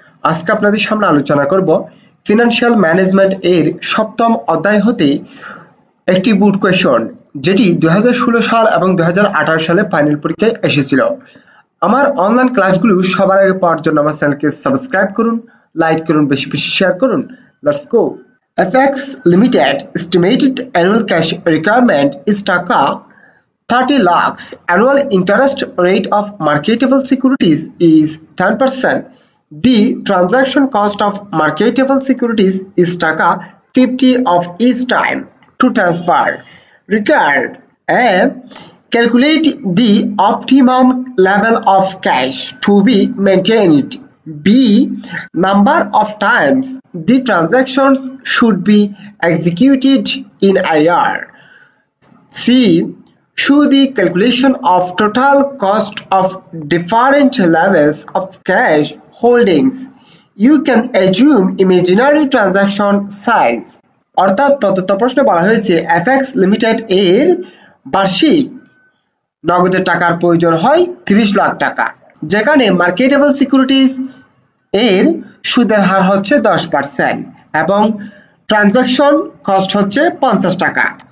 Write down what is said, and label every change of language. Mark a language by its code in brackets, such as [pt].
[bn] আজকে আপনাদের সামনে আলোচনা করব ফিনান্সিয়াল ম্যানেজমেন্ট এর সপ্তম অধ্যায় হতে একটি বুট কোয়েশ্চন, যেটি 2016 সাল এবং 2018 সালে ফাইনাল পরীক্ষায় এসেছিল। আমার অনলাইন ক্লাসগুলো সবার আগে পাওয়ার জন্য আমার চ্যানেলকে সাবস্ক্রাইব করুন, লাইক করুন, বেশি বেশি শেয়ার করুন। [en] Let's go. FX limited estimated annual cash requirement is taka 30 lakhs. Annual interest rate of marketable securities is 10%. The transaction cost of marketable securities is taka 50 of each time to transfer. Required A. Calculate the optimum level of cash to be maintained. B. Number of times the transactions should be executed in a year. C. Show the calculation of total cost of different levels of cash holdings. You can assume imaginary transaction size. [bn] অর্থাৎ প্রদত্ত প্রশ্নে বলা হয়েছে FX Limited এর বার্ষিক নগদ টাকার প্রয়োজন হয় 30 লাখ টাকা, যেখানে মার্কেটেবল সিকিউরিটিজ এর সুদের হার হচ্ছে 10% এবং ট্রানজাকশন কস্ট হচ্ছে 50 টাকা।